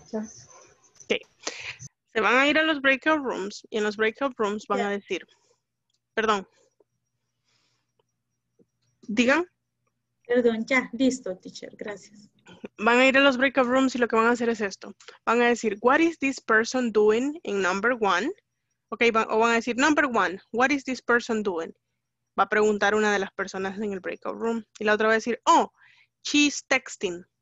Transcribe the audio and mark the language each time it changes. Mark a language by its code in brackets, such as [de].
[es] yeah. Okay. Se van a ir a los breakout rooms y en los breakout rooms van, yeah, a decir, perdón, digan. Perdón, ya, listo, teacher, gracias. Van a ir a los breakout rooms y lo que van a hacer es esto. Van a decir, [en] what is this person doing in number one? Okay, [es] o van a decir, [en] number one, what is this person doing? [es] Va a preguntar una de las personas en el breakout room y la otra va a decir, [en] oh, she's texting.